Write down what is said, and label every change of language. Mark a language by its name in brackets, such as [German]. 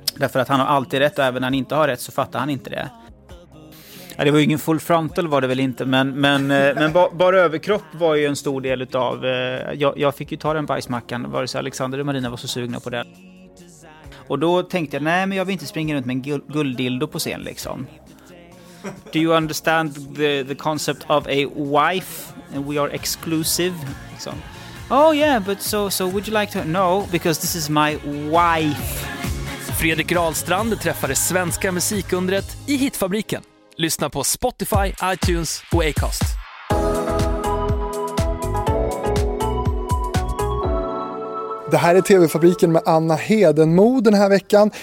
[Swedish] Därför att han har alltid rätt och även när han inte har rätt så fattar han inte det. Ja, det var ju ingen full frontal var det väl inte, men bara överkropp var ju en stor del utav... Jag fick ju ta den bajsmackan, vare sig Alexander och Marina var så sugna på det. Och då tänkte jag, nej men jag vill inte springa runt med en gulddildo på scen liksom. [English] Do you understand the concept of a wife? We are exclusive, [Swedish] liksom. [English] Oh yeah, but so would you like to... No, because this is my wife. [Swedish] Fredrik Rahlstrand träffade svenska musikundret i Hitfabriken. Lyssna på Spotify, iTunes och Acast. Det här är TV-fabriken med Anna Hedenmo den här veckan.